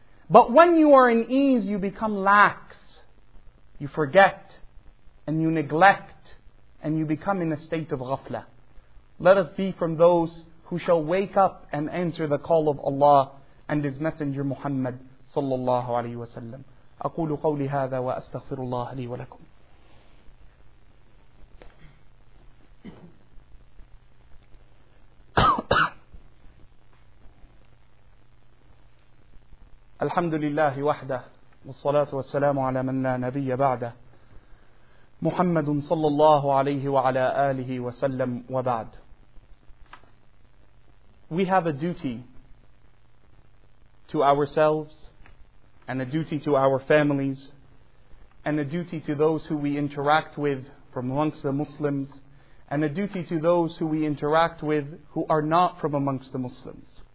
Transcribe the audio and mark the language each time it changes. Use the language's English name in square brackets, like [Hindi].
[English] But when you are in ease, you become lax. You forget. and you neglect and you become in a state of ghafla. Let us be from those who shall wake up and answer the call of Allah and His Messenger Muhammad sallallahu alayhi wa sallam. [Arabic] أقول قولي هذا وأستغفر الله لي ولكم. الحمد لله وحده والصلاة والسلام على من لا نبي بعده محمد صلى الله عليه وعلى آله وسلم وبعد. [English] We have a duty to ourselves and a duty to our families and a duty to those who we interact with from amongst the Muslims and a duty to those who we interact with who are not from amongst the Muslims.